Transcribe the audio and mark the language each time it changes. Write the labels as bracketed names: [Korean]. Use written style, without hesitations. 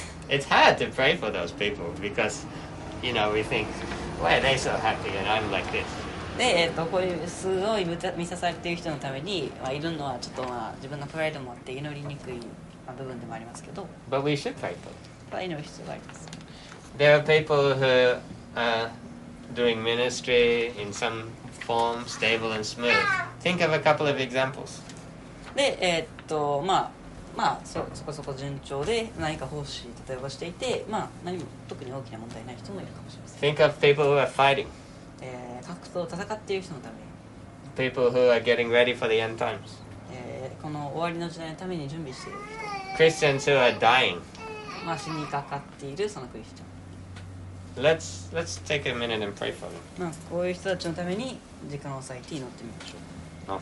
[English] It's hard to pray for those people because, you know, we think, why are they so happy and I'm like this? [Japanese] で、こういうすごい満たされている人のために、まあ、いるのはちょっと、まあ、自分のプライドもあって祈りにくい部分でもありますけど。 [English] But we should pray for them. [Japanese] 祈る必要があります。 [English] There are people who are doing ministry in some form, stable and smooth. Think of a couple of examples. [Japanese] で、まあ、そこそこ順調で何か奉仕例えばしていて、まあ、何も特に大きな問題ない人もいるかもしれません。 [English] Think of people who are fighting. [Japanese] 格闘戦っている人のため [English] People who are getting ready for the end times、 [Japanese] この終わりの時代のために準備している人 [English] Christians who are dying、 [Japanese] まあ、死にかかっているそのクリスチャン [English] Let's take a minute and pray for them、 [Japanese] まあ、こういう人たちのために時間を割いて祈ってみましょう。